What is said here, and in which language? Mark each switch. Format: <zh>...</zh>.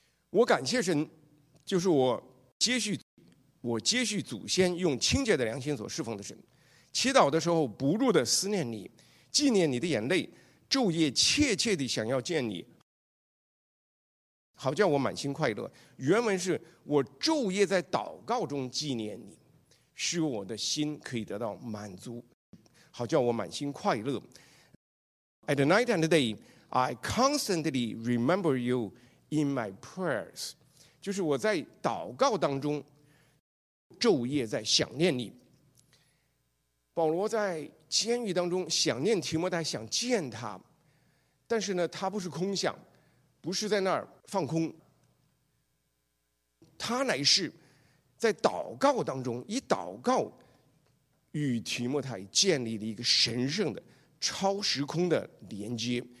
<zh>我感谢神，就是我接续祖先用清洁的良心所侍奉的神，祈祷的时候不住的思念你，纪念你的眼泪，昼夜切切地想要见你，好叫我满心快乐。原文是我昼夜在祷告中纪念你，使我的心可以得到满足，好叫我满心快乐。</zh> <en>At night and day I constantly remember you in my prayers，</en> <zh>就是我在祷告当中昼夜在想念你。保罗在监狱当中想念提摩太，想见他，但是呢，他不是空想，不是在那儿放空，他乃是在祷告当中，以祷告与提摩太建立了一个神圣的超时空的连接。</zh>